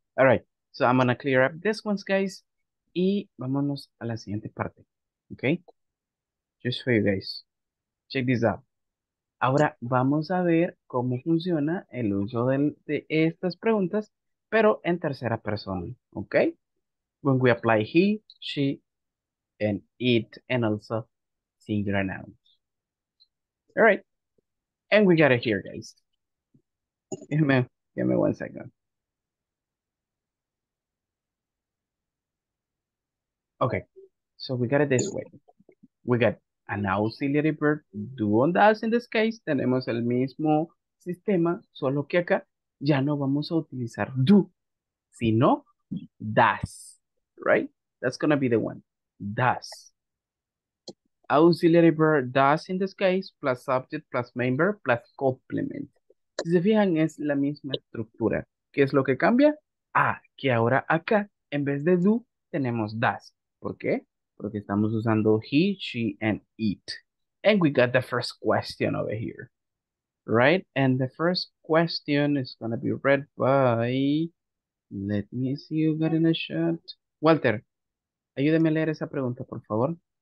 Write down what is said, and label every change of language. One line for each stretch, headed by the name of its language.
English: All right, so I'm going to clear up this one, guys,
Spanish: y vámonos a la siguiente parte,
English: okay? Just for you guys, check this out.
Spanish: Ahora vamos a ver cómo funciona el uso de estas preguntas, pero en tercera persona, okay?
English: When we apply he, she, and it, and also singular nouns. All right. And we got it here, guys. Give me 1 second. Okay. So we got it this way. We got an auxiliary verb, do and does in this case.
Spanish: Tenemos el mismo sistema, solo que acá ya no vamos a utilizar do, sino does. Right?
English: That's going to be the one.
Spanish: Does.
English: Auxiliary verb does in this case, plus subject, plus main verb, plus complement.
Spanish: Si se fijan, es la misma estructura. ¿Qué es lo que cambia? Ah, que ahora acá, en vez de do, tenemos does. ¿Por qué? Porque estamos usando he, she, and it.
English: And we got the first question over here. Right? And the first question is going to be read by... Let me see you got in a shot.
Spanish: Walter, ayúdame a leer esa pregunta, por favor.